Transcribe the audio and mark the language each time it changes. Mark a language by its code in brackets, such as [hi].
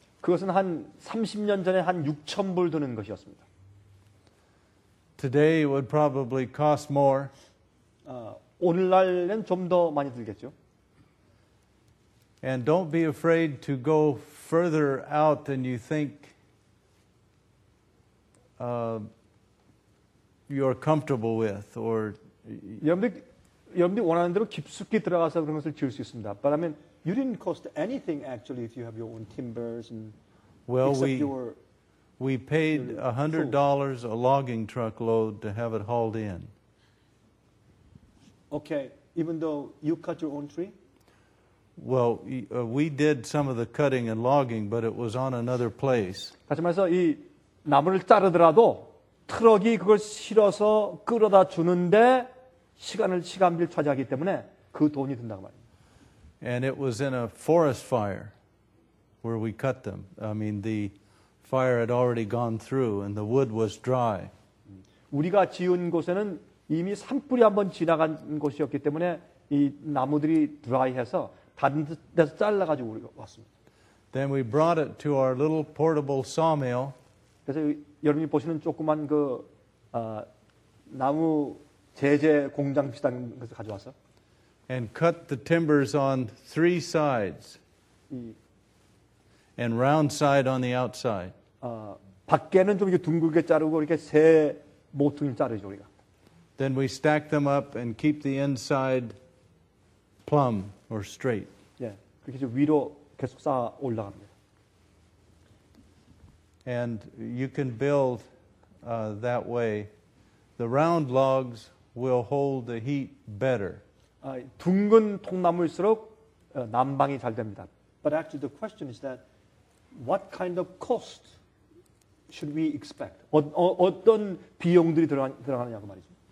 [ko] 그것은 한 30년 전에 한 6,000불 드는 것이었습니다. [en] Today would probably cost more. [ko] 오늘날엔 좀 더 많이 들겠죠. [en] And don't be afraid to go further out than you think you're comfortable with. Or [ko] 여러분들 원하는 대로 깊숙이 들어가서 그런 것을 지을 수 있습니다. [en] But I mean, you didn't cost anything actually if you have your own timbers and well, except your We paid $100 a logging truck load to have it hauled in. Okay, even though you cut your own tree? Well, we did some of the cutting and logging, but it was on another place. [ko] 다시 말해서 이 나무를 자르더라도 트럭이 그걸 실어서 끌어다 주는데 시간을 시간비를 차지하기 때문에 그 돈이 든다고 말이에요. [en] And it was in a forest fire where we cut them. I mean, the fire had already gone through and the wood was dry. [ko] 우리가 지은 곳에는 이미 산불이 한번 지나간 곳이었기 때문에 이 나무들이 드라이해서 다른 데서 잘라 가지고 우리가 왔습니다. [en] Then we brought it to our little portable sawmill. [ko] 그래서 여러분이 보시는 조그만 그 나무 제재 공장 비슷한 것을 가져왔어. [en] And cut the timbers on three sides. And round side on the outside. [ko] 밖에는 좀 이렇게 둥글게 자르고 이렇게 세 모퉁이 자르죠 우리가. [en] Then we stack them up and keep the inside plumb or straight. [ko] 예, 그렇게 위로 계속 쌓아 올라갑니다. [en] And you can build that way. The round logs will hold the heat better. [ko] 둥근 통나무일수록 난방이 잘 됩니다. [en] But actually the question is that what kind of cost should we expect? [ko] 어떤 비용들이 들어가느냐고 말이죠.